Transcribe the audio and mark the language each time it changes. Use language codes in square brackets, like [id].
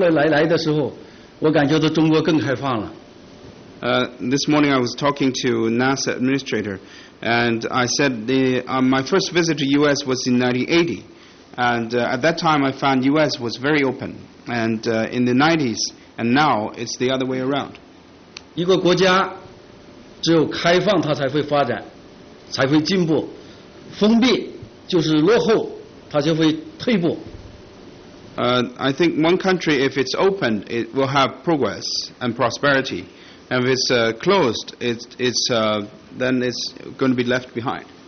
[zh] 所以今天我刚才上午到拉萨访问的时候，我就谈我的感受。我80年代到美国来的时候，我感觉到美国很开放，但是后来90年代后来来的时候，我感觉到中国更开放了。 [en] This morning I was talking to NASA administrator, and I said my first visit to U.S. was in 1980, and at that time I found U.S. was very open, and in the 90s, and now it's the other way around. [zh] 一个国家只有开放它才会发展，才会进步，封闭就是落后，它就会退步。 [en] I think one country, if it's open, it will have progress and prosperity. And if it's closed, then it's going to be left behind.